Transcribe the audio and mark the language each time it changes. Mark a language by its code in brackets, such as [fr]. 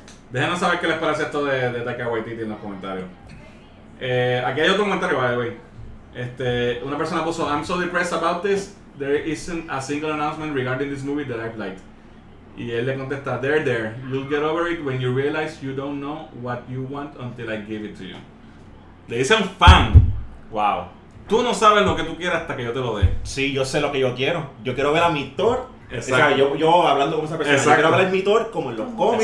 [es] Déjenos saber qué les parece esto de Taika Waititi en los comentarios. Aquí hay otro comentario, [en] by the way. [es] Una persona puso: [en] I'm so depressed about this, there isn't a single announcement regarding this movie that I've liked. [es] Y él le contesta: [en] There, you'll get over it when you realize you don't know what you want until I give it to you. [es] Le dice un fan. Wow. Tú no sabes lo que tú quieras hasta que yo te lo dé. Sí, yo sé lo que yo quiero. Yo quiero ver a mi Thor. Exacto. O sea, yo hablando con esa persona, exacto, yo quiero hablar de mi Thor como en los cómics.